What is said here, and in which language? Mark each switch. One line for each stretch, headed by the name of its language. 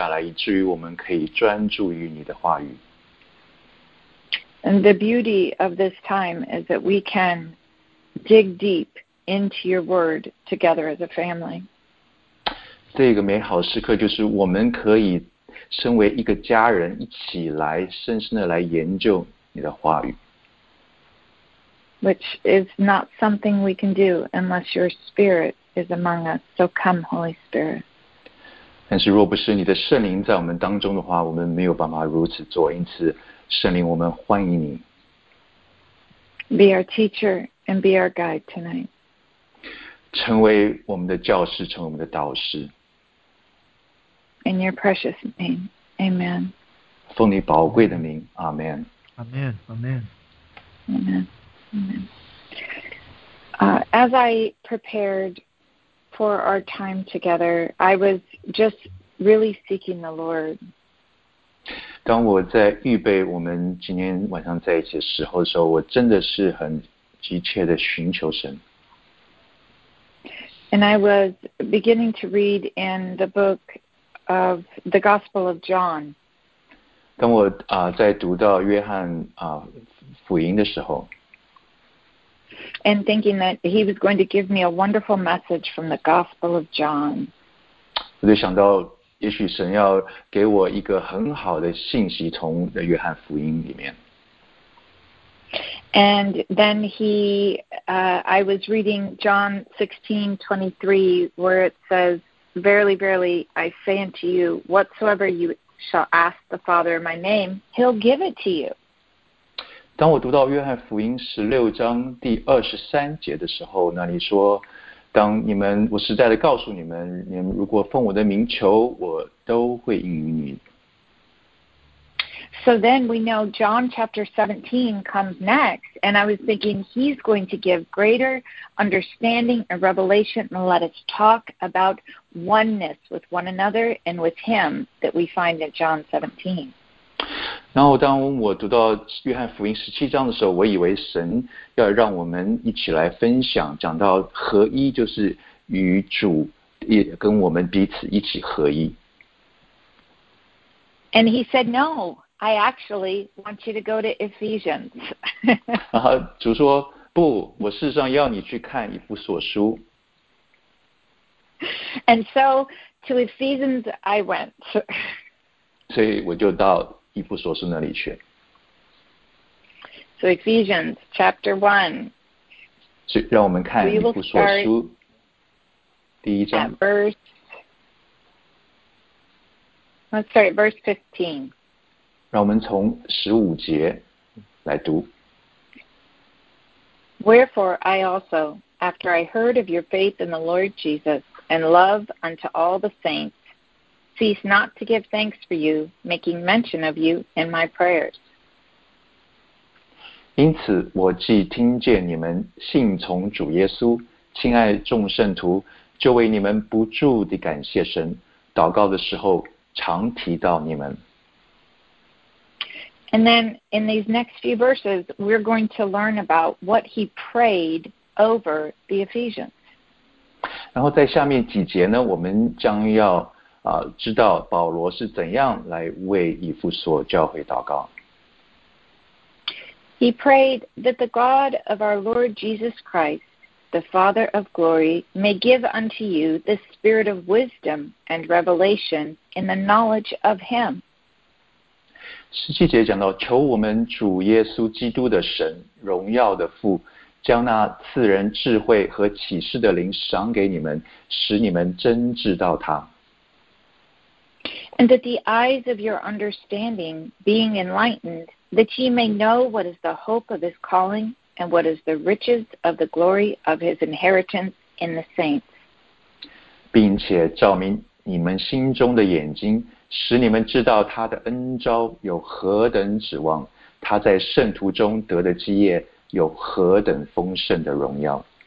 Chinese: 主啊，就如同我常常祷告的，求你让我们的周围都安静下来，以至于我们可以专注于你的话语。
English: And the beauty of this time is that we can dig deep into your word together as a family.
Chinese: 这个美好时刻就是我们可以身为一个家人一起来深深地来研究你的话语。
English: Which is not something we can do unless your spirit is among us. So come, Holy Spirit.
Chinese: 但是若不是你的圣灵在我们当中的话，我们没有办法如此做，因此 圣灵，我们欢迎你。
English: Be our teacher and be our guide tonight.
Chinese: 成为我们的教师，成为我们的导师。
English: In your precious name, amen.
Chinese: 奉你宝贵的名，阿门。
English: Amen, amen. Amen, amen. As I prepared for our time together, I was just really seeking the Lord.
Chinese: 当我在预备我们今天晚上在一起的时候，我真的是很急切的寻求神。And
English: I was beginning to read in the book of the Gospel of John.
Chinese: 当我在读到约翰福音的时候
English: ，and thinking that he was going to give me a wonderful message from the Gospel of John，
Chinese: 我就想到，也许神要给我一个很好的信息从约翰福音里面。
English: And then he, I was reading John 16:23, where it says, "Verily, verily, I say unto you, whatsoever you shall ask the Father in my name, He'll give it to you."
Chinese: 当我读到约翰福音十六章第二十三节的时候，那里说，当你们，我实在的告诉你们，你们如果奉我的名求，我都会应允你。
English: So then we know John chapter 17 comes next, and I was thinking he's going to give greater understanding and revelation and let us talk about oneness with one another and with him that we find in John 17.
Chinese: 然后当我读到约翰福音十七章的时候，我以为神要让我们一起来分享，讲到合一，就是与主也跟我们彼此一起合一。
English: And he said no. I actually want you to go to Ephesians.
Chinese: 主说不，我事实上要你去看以弗所书。
English: And so to Ephesians I went.
Chinese: 所以我就到以弗所书那里去。
English: So Ephesians chapter 1.
Chinese: 所以让我们看以弗所书第一章。
English: Verse 15.
Chinese: 让我们从十五节来读。
English: Wherefore I also, after I heard of your faith in the Lord Jesus and love unto all the saints, cease not to give thanks for you, making mention of you in my prayers.
Chinese: 因此我既听见你们信从主耶稣，亲爱众圣徒，就为你们不住地感谢神，祷告的时候常提到你们。
English: And then in these next few verses, we're going to learn about what he prayed over the Ephesians.
Chinese: 然后在下面几节呢，我们将要知道保罗是怎样来为以弗所教会祷告。
English: He prayed that the God of our Lord Jesus Christ, the Father of glory, may give unto you the spirit of wisdom and revelation in the knowledge of him.
Chinese: 十七节讲到，求我们主耶稣基督的神，荣耀的父，将那赐人智慧和启示的灵赏给你们，使你们真知道他。
English: And that the eyes of your understanding being enlightened, that ye may know what is the hope of his calling, and what is the riches of the glory of his inheritance in the saints.
Chinese: 并且照明你们心中的眼睛。使你们知道他的恩召有何等指望，他在圣徒中得的基业有何等丰盛的荣耀。